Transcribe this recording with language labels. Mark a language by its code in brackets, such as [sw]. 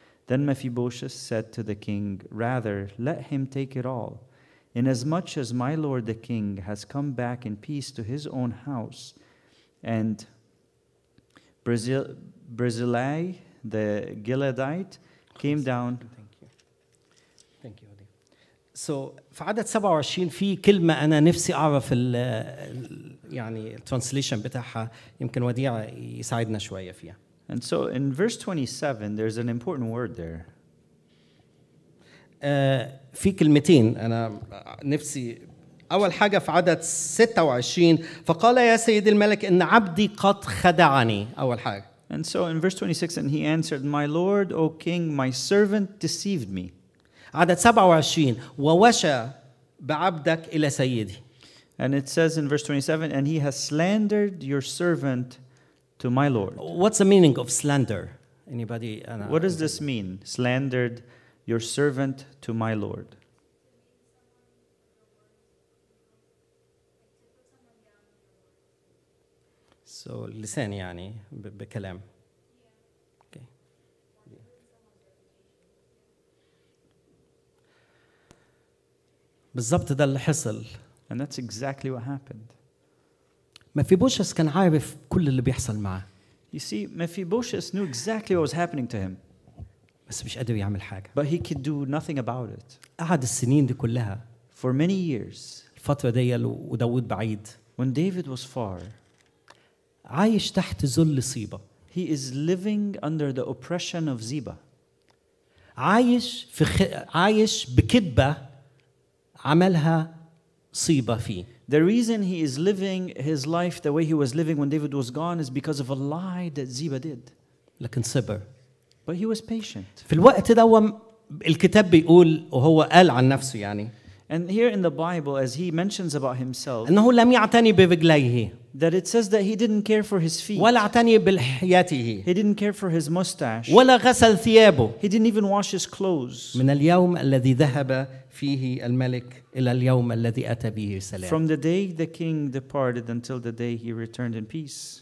[en] Then Mephibosheth said to the king, Rather, let him take it all. Inasmuch as my lord the king has come back in peace to his own house, and Barzillai the Gileadite came down. Thank you. [ar] So, في عدد 27 في كلمة أنا نفسي أعرف يعني translation بتاعها يمكن وديع يساعدنا شوية فيها. [en] And so in verse 27, there's an important word there. [ar] في كلمتين أنا نفسي أول حاجة في عدد 26 فقال يا سيد الملك إن عبدي قد خدعني أول حاجة. [en] And so in verse 26, and he answered, My lord, O king, my servant deceived me. [ar] عدد 27 ووشى بعبدك إلى سيدي. [en] And it says in verse 27, and he has slandered your servant. To my lord. What's the meaning of slander? Anybody? What does this mean? Slandered your servant to my lord. So, listen, [ar] yani, بكلام. [en] Okay. [ar] بالضبط ده اللي حصل. [en] And that's exactly what happened. [ar] Mephibosheth كان عارف كل اللي بيحصل معه. [en] You see, Mephibosheth knew exactly what was happening to him. [ar] بس مش قادر يعمل حاجة. [en] But he could do nothing about it. [ar] قعد السنين دي كلها. [en] For many years. [ar] الفترة دي وداود بعيد. [en] When David was far. [ar] عايش تحت ذل صيبة. [en] He is living under the oppression of Ziba. [ar] عايش بكذبة عملها صيبة فيه. [en] The reason he is living his life the way he was living when David was gone is because of a lie that Ziba did. [ar] لكن صبر. [en] But he was patient. [ar] في الوقت ده الكتاب بيقول وهو قال عن نفسه يعني. [en] And here in the Bible, as he mentions about himself, [ar] أنه لم يعتني برجليه. [en] That it says that he didn't care for his feet. [ar] ولا اعتني بلحيته. [en] He didn't care for his mustache. [ar] ولا غسل ثيابه. [en] He didn't even wash his clothes. [ar] من اليوم الذي ذهب فيه الملك إلى اليوم الذي أتى به سلام. [en] From the day the king departed until the day he returned in peace.